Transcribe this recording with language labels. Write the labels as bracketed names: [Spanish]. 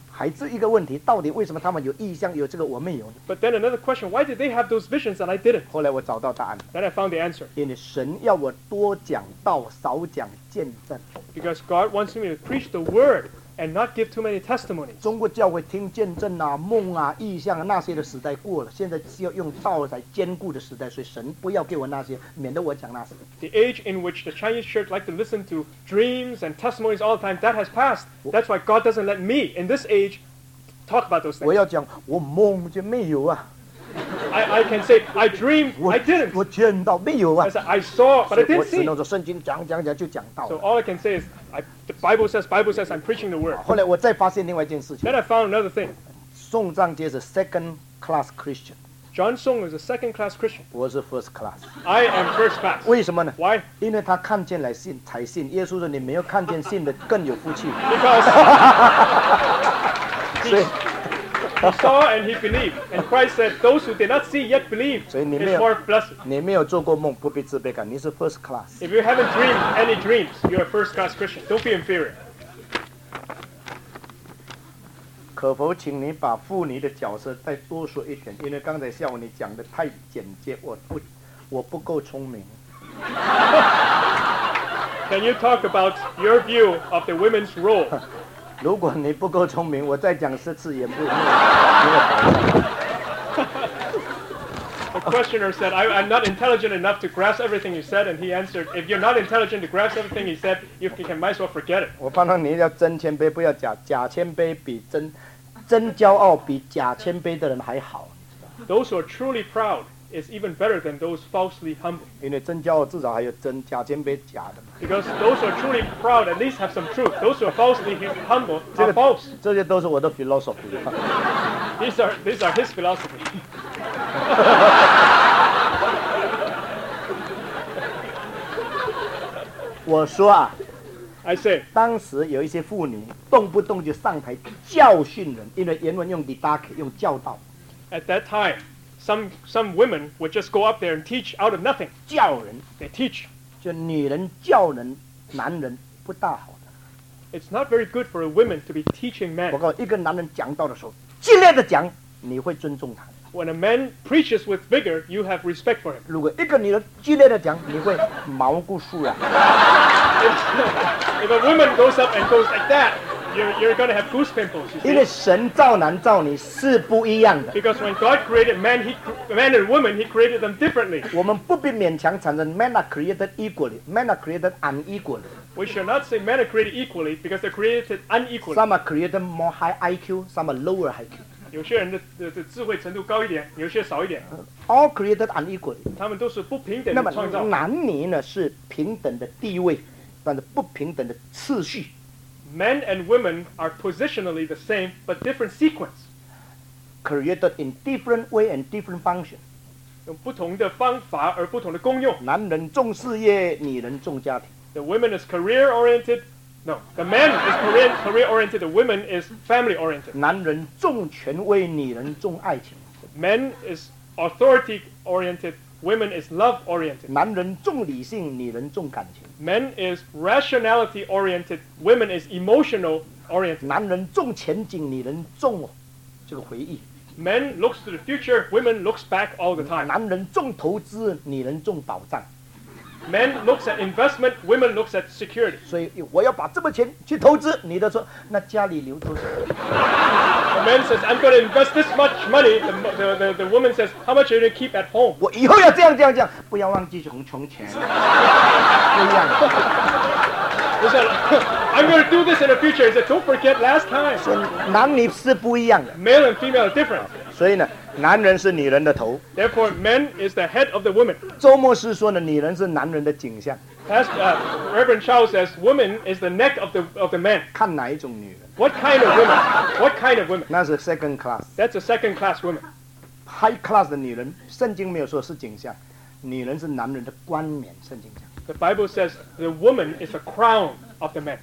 [Chinese] 还是一个问题，到底为什么他们有异象，有这个我没有呢？ [English] But then another question, why did they have those visions and I didn't? [Chinese] 后来我找到答案。 [English] Then I found the answer. [Chinese] 因为神要我多讲道，少讲见证。 [English] Because God wants me to preach the word and not give too many testimonies. [Chinese] 中国教会听见证啊、梦啊、异象啊那些的时代过了，现在是要用道来坚固的时代，所以神不要给我那些，免得我讲那些。 [English] The age in which the Chinese church like to listen to dreams and testimonies all the time, that has passed. That's why God doesn't let me in this age talk about those things. [Chinese] 我要讲，我梦就没有啊。 [English] I can say I dream, I didn't. [Chinese] 我见到没有啊？ [English] I saw, but I didn't see. [Chinese] 只能说圣经讲就讲到 [English] So all I can say is, the Bible says I'm preaching the word. [Chinese] 后来我再发现另外一件事情。 [English] Then I found another thing. [Chinese] 宋章杰是 [English] second class Christian. John Song is a second class Christian. [Chinese] 我是 [English] first class. I am first class. [Chinese] 为什么呢？ [English] Why? [Chinese] 因为他看见来信才信。耶稣说你没有看见信的更有福气。 [English] Because. [Chinese] 所以。 [English] He saw and he believed. And Christ said, those who did not see yet believe is more blessed. [Chinese] 你没有做过梦，不必自卑感，你是 [English] first class. If you haven't dreamed any dreams, you're a first class Christian. Don't be inferior. [Chinese] 可否请你把妇女的角色再多说一点？因为刚才下午你讲的太简洁，我不够聪明。 [English] Can you talk about your view of the women's role? [Chinese] 如果你不够聪明，我再讲十次也不。 [English] The questioner said, "I'm not intelligent enough to grasp everything you said." And he answered, "If you're not intelligent to grasp everything he said, you can might as well forget it." [Chinese] 我盼望你要真谦卑，不要假。假谦卑比真骄傲比假谦卑的人还好。 [English] Those who are truly proud is even better than those falsely humble. [Chinese] 因为真骄傲至少还有真，假谦卑假的。 [English] Because those who are truly proud at least have some truth. Those who are falsely humble are false. [Chinese] 这些都是我的 philosophy. [English] These are his philosophy. [Chinese] 我说啊， [English] I say, [Chinese] 当时有一些妇女动不动就上台教训人，因为原文用 didache 用教导。 [English] At that time, some women would just go up there and teach out of nothing. [Chinese] 教人， [English] they teach. [Chinese] 就女人教人，男人不大好的。 [English] It's not very good for a woman to be teaching men. [Chinese] 我告诉一个男人讲道的时候，激烈的讲，你会尊重他。 [English] When a man preaches with vigor, you have respect for him. [Chinese] 如果一个女人激烈的讲，你会毛骨悚然。 [English] If a woman goes up and goes like that, you're going to have goose pimples. [Chinese] 因为神造男造女是不一样的。 [English] Because when God created man, man and woman, he created them differently. [Chinese] 我们不必勉强产生 [English] men are created equally, men are created unequally. We should not say men are created equally because they're created unequally. Some are created more high IQ, some are lower IQ. [Chinese] 有些人的智慧程度高一点，有些少一点。 [English] All created unequally. [Chinese] 他们都是不平等的创造。那么男女呢是平等的地位，但是不平等的次序。 [English] Men and women are positionally the same, but different sequence. Created in different way and different function. [Chinese] 用不同的方法而不同的功用。男人重事业，女人重家庭。 [English] The woman is career oriented. No, the man is career oriented. The woman is family oriented. [Chinese] 男人重权威，女人重爱情。 [English] Men is authority oriented. Women is love oriented. [Chinese] 男人重理性，女人重感情。 [English] Men is rationality oriented, women is emotional oriented. [Chinese] 男人重前景，女人重这个回忆。 [English] Men looks to the future, women looks back all the time. [Chinese] 男人重投资，女人重保障。 [English] Men looks at investment, women looks at security. [Chinese] 所以我要把这么钱去投资，女的说那家里留多少。 [English] The man says, I'm going to invest this much money. The woman says, how much are you going to keep at home? [Chinese] 我以后要这样，不要忘记穷钱。不一样。不是。 [English] I'm going to do this in the future. He said, don't forget last time. [Chinese] 男女是不一样的。 [English] Male and female are different. [Chinese] 所以呢，男人是女人的头。 [English] Therefore, men is the head of the woman. [Chinese] 周牧师说呢，女人是男人的颈项。 [English] Reverend Charles says, woman is the neck of the man. [Chinese] 看哪一种女人。 [English] What kind of woman? What kind of woman? [Chinese] 那是 [English] second class. That's a second class woman. High class [Chinese] 的女人，圣经没有说是颈项。女人是男人的冠冕，圣经讲。 [English] The Bible says the woman is the crown of the man.